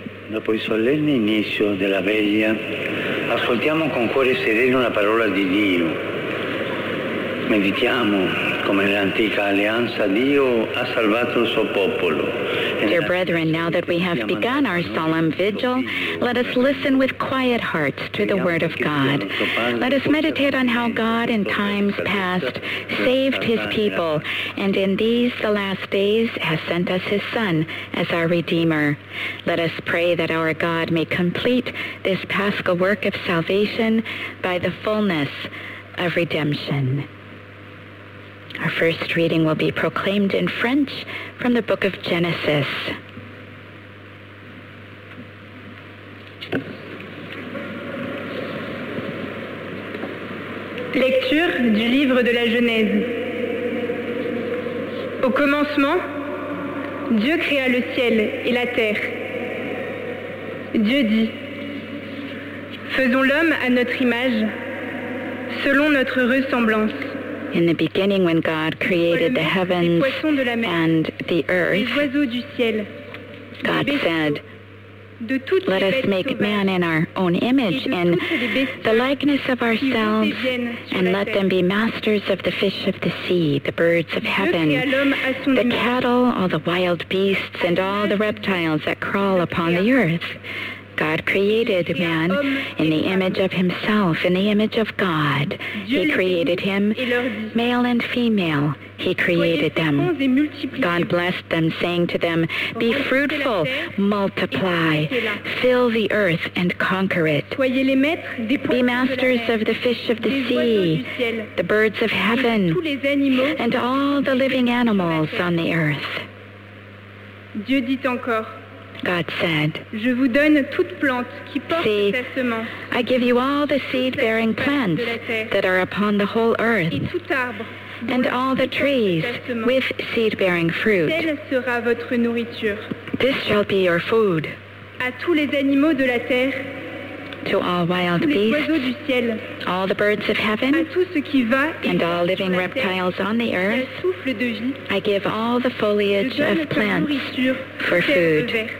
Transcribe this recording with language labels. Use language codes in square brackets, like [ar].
[it] Dopo il solenne inizio della veglia, ascoltiamo con cuore sereno la parola di Dio. Meditiamo come nell'antica alleanza Dio ha salvato il suo popolo e [en] Dear brethren, now that we have begun our solemn vigil, let us listen with quiet hearts to the word of God. Let us meditate on how God in times past saved his people, and in these, the last days, has sent us his Son as our Redeemer. Let us pray that our God may complete this Paschal work of salvation by the fullness of redemption. Our first reading will be proclaimed in French from the book of Genesis. [fr] Lecture du livre de la Genèse. Au commencement, Dieu créa le ciel et la terre. Dieu dit, faisons l'homme à notre image, selon notre ressemblance. [en] In the beginning, when God created the heavens and the earth, God said, let us make man in our own image, in the likeness of ourselves, and let them be masters of the fish of the sea, the birds of heaven, the cattle, all the wild beasts, and all the reptiles that crawl upon the earth. God created man in the image of himself, in the image of God. He created him, male and female. He created them. God blessed them, saying to them, be fruitful, multiply, fill the earth and conquer it. Be masters of the fish of the sea, the birds of heaven, and all the living animals on the earth. [fr] Dieu dit encore, [en] God said, [fr] je vous donne toute plante qui porte sa semence. [en] I give you all the seed-bearing plants that are upon the whole earth, [fr] et tout arbre, [en] and all the trees with seed-bearing fruit. [fr] Telle sera votre nourriture. [en] This shall be your food. [fr] À tous les animaux de la terre, [en] to all wild beasts, all the birds of heaven, and all living reptiles on the earth, I give all the foliage of plants for food.